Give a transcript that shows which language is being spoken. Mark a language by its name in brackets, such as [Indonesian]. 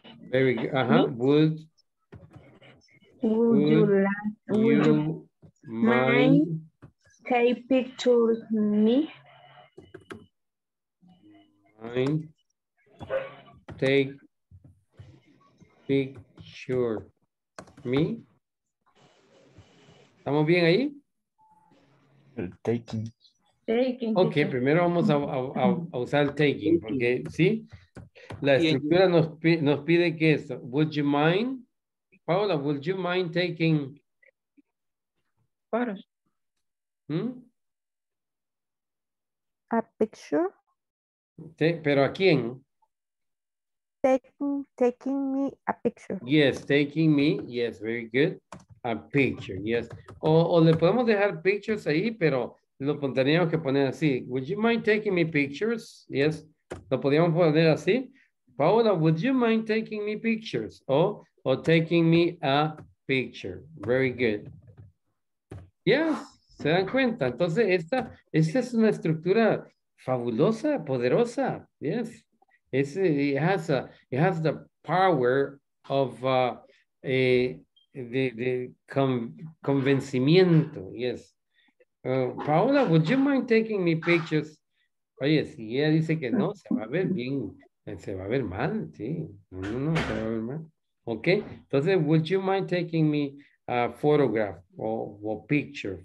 [English] Very good. Would you mind take picture me? [Spanish] ¿Estamos bien ahí? [English] Taking. [Spanish] Ok, primero vamos a usar el taking, porque sí, la estructura nos pide que eso. [English] Would you mind, Paola, would you mind taking? Photos. A picture. [Spanish] ¿Pero a quién? [English] Taking me a picture. Yes, taking me. Yes, very good. A picture, yes. [Spanish] O le podemos dejar pictures ahí, pero lo tendríamos que poner así. [English] Would you mind taking me pictures? Yes. [Spanish] Lo podríamos poner así. [English] Paola, would you mind taking me pictures? O taking me a picture. Very good. Yes. [Spanish] ¿Se dan cuenta? Entonces, esta es una estructura fabulosa, poderosa. Yes. [English] It has the power of convencimiento, yes. Paola, would you mind taking me pictures? [Spanish] Oye, si ella dice que no, se va a ver bien, se va a ver mal, sí. No, se va a ver mal. [English] Okay, entonces, would you mind taking me a photograph o picture?